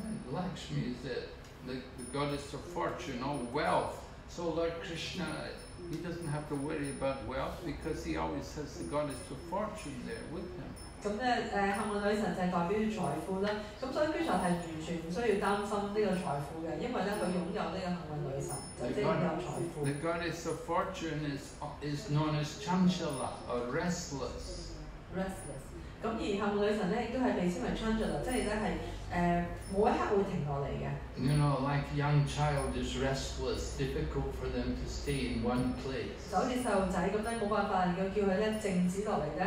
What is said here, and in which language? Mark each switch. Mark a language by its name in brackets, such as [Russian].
[English] Lakshmi is the goddess of fortune, all wealth, So Lord Krishna, he doesn't have to worry about wealth because he always has the goddess of fortune there with him. [Chinese] 幸運女神就是代表財富，所以Krishna是完全不需要擔心財富的，因為他擁有幸運女神，即是有財富。 [English] The goddess of fortune is known as Chanchala, or restless. Restless. [Chinese] 而幸運女神也被稱為Chanchala，即是沒有一刻會停下來的。 [English] You know, like a young child is restless, difficult for them to stay in one place. [Chinese] 就像小孩子那樣，沒辦法叫他靜止下來。